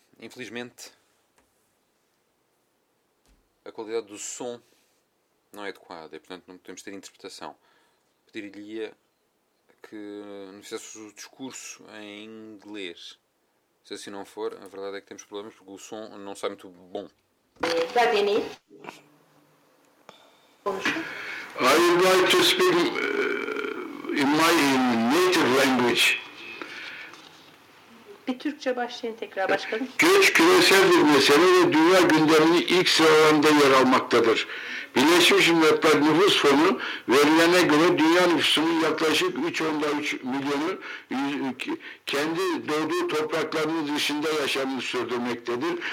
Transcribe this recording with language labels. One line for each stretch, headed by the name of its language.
Portuguese: Infelizmente, a qualidade do som não é adequada e, portanto, não podemos ter interpretação. Pediria que nos fizesse o discurso em inglês. Se assim não for, a verdade é que temos problemas porque o som não sai muito bom. Está bem aí?
English: I would like to speak in my native language.
Turkish: Bir Türkçe başlayın tekrar başkanım. Göç küresel bir mesele ve dünya gündeminin ilk sıralarında yer almaktadır. Birleşmiş Milletler Nüfus Fonu verilene göre dünya nüfusunun yaklaşık 3.3 milyonu kendi doğduğu topraklarının dışında yaşamını sürdürmektedir.